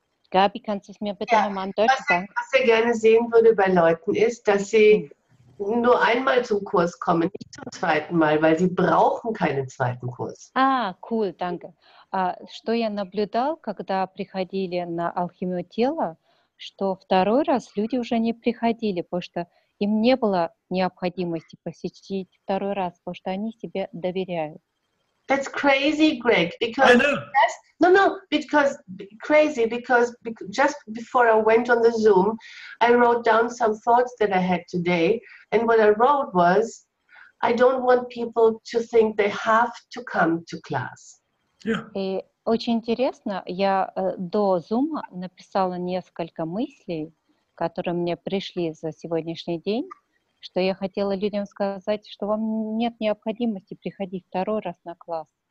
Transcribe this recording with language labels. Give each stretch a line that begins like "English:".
German: Gabi, kannst du es mir bitte nochmal deutlich sagen? Was er gerne sehen würde bei Leuten ist, dass sie nur einmal zum Kurs kommen, nicht zum zweiten Mal, weil sie brauchen keinen zweiten Kurs. Ah, cool, danke.
Russian: Что я наблюдал, когда приходили на алхимию тела, что второй раз люди уже не приходили, потому что им не было необходимости посетить второй раз, потому что они себе доверяют.
English: That's crazy, Greg, because... I know. Because just before I went on the Zoom, I wrote down some thoughts that I had today. And what I wrote was, I don't want people to think they have to come to class. Yeah.
Russian: И очень интересно, я до Зума написала несколько мыслей, которые мне пришли за сегодняшний день, что я хотела людям сказать, что вам нет необходимости приходить второй раз на класс.